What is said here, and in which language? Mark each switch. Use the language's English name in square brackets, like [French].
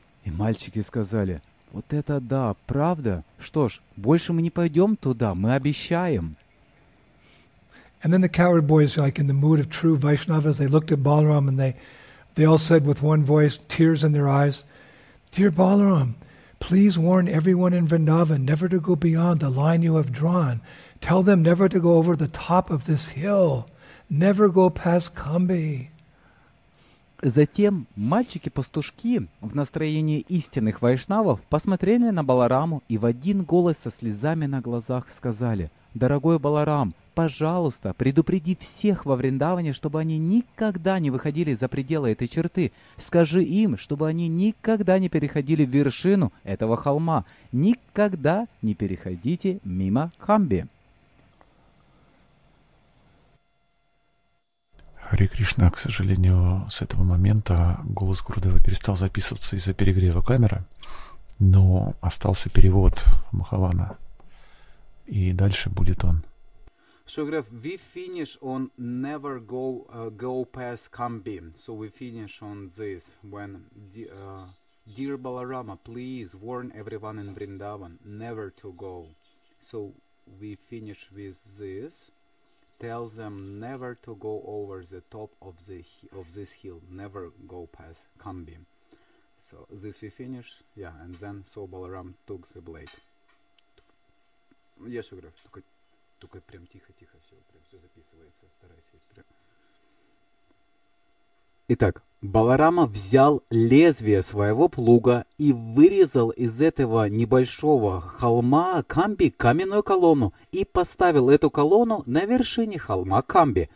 [Russian] И мальчики сказали: "Вот это да, правда? Что ж, больше мы не пойдем туда, мы обещаем." [English] And then the coward boys, like in the mood of true Vaishnavas, they looked at Balaram and they all said with one voice, tears in their eyes, "Dear Balaram, please warn everyone in Vrindavan never to go beyond the line you have drawn. Tell them never to go over the top of this hill. Never go past Kumbhi." [Russian] Затем мальчики-пастушки в настроении истинных вайшнавов посмотрели на Балараму и в один голос со слезами на глазах сказали: "Дорогой Баларам, пожалуйста, предупреди всех во Вриндаване, чтобы они никогда не выходили за пределы этой черты. Скажи им, чтобы они никогда не переходили вершину этого холма. Никогда не переходите мимо Камби." Харе Кришна, к сожалению, с этого момента голос Гурудева перестал записываться из-за перегрева камеры, но остался перевод Махавана. И дальше будет он. [English] Шугрев, we finish on never go go past Kambi. So we finish on this when dear Balarama, please warn everyone in Vrindavan never to go. So we finish with this. Tell them never to go over the top of the of this hill. Never go past Kambi. So this we finish. Yeah, and then so Balaram took the blade. [Russian] Я Шугрев, только прям тихо-тихо, все, прям все записывается, старайся прям. Итак, Баларама взял лезвие своего плуга и вырезал из этого небольшого холма Камби каменную колонну и поставил эту колонну на вершине холма Камби.